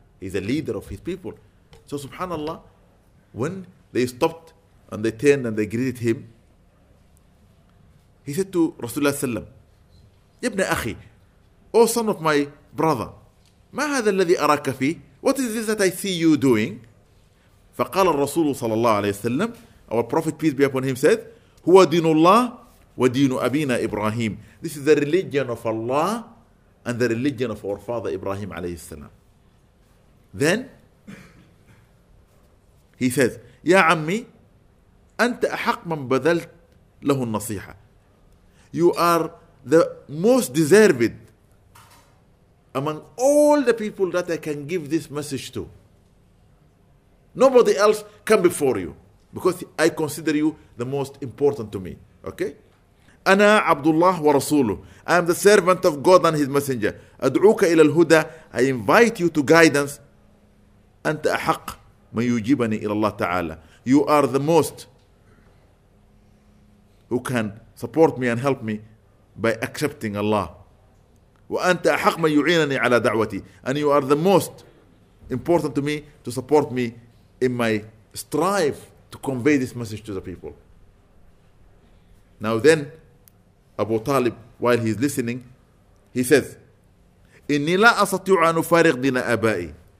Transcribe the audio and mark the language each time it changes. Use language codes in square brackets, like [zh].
[en] He's a leader of his people. So subhanAllah, when they stopped and they turned and they greeted him, he said to Rasulullah Sallam, [ar] Yabna Akhi, [en] O son of my brother, [ar] ما هذا الذي أراك فيه? [en] What is this that I see you doing? [ar] فقال الرسول صلى الله عليه وسلم, [en] our Prophet, peace be upon him, said, [ar] هو دين الله ودين أبينا إبراهيم. [en] This is the religion of Allah and the religion of our father Ibrahim alayhi salam. Then he says, [ar] Ya Ammi, Anta ahaq man badalt lahu nasiha. [en] You are the most deserved among all the people that I can give this message to. Nobody else come before you, because I consider you the most important to me. [ar] Okay? أنا عبد الله ورسوله. [en] I am the servant of God and His messenger. [ar] أدعوك إلى الهدى. [en] I invite you to guidance. [ar] أنت أحق من يجيبني إلى الله تعالى. [en] You are the most who can support me and help me by accepting Allah. [ar] وأنت أحق من يعينني على دعوتي. [en] And you are the most important to me to support me in my strive to convey this message to the people. Now then, Abu Talib, while he's listening, he says, [ar] إني لا أستطيع أن أفارق دين أبائي.